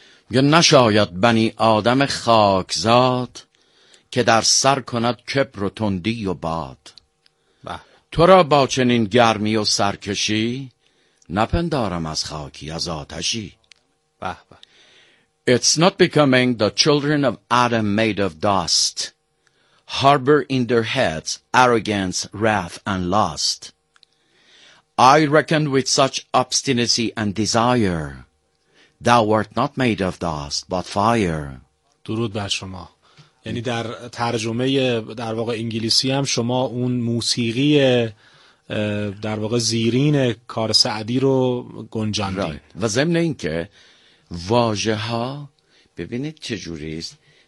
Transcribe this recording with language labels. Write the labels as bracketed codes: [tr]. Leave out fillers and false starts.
[fa] میگه نشاید بنی آدم خاکزاد که در سر کند کبر و تندی و باد. تو را با چنین گرمی و سرکشی نپندارم از خاکی، از آتشی. به به. [en] It's not becoming the children of Adam made of dust harbor in their heads arrogance, wrath and lust. I reckon with such obstinacy and desire, thou art not made of dust, but fire. [fa] درود بر شما. یعنی در ترجمه در واقع انگلیسی هم شما اون موسیقی در واقع زیرین کار سعدی رو گنجاندید. [en] Right. [fa] و ضمن این که واژه ها ببینید چجوری است.